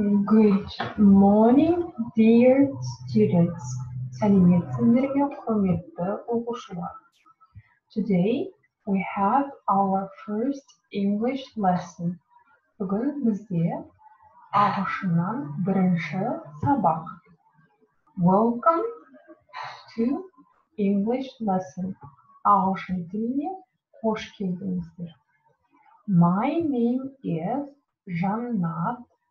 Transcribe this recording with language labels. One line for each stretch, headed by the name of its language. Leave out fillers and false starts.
English: Good morning, dear students.
Kazakh: Сәлеметсіздерге, құрметті оқушылар.
English: Today, we have our first English lesson.
Kazakh: Бүгін бізде ағылшыннан бірінші сабақ.
English: Welcome to English lesson.
Kazakh: Ағылшын тіліне қош келдіңіздер.
English: My name is Жаннат.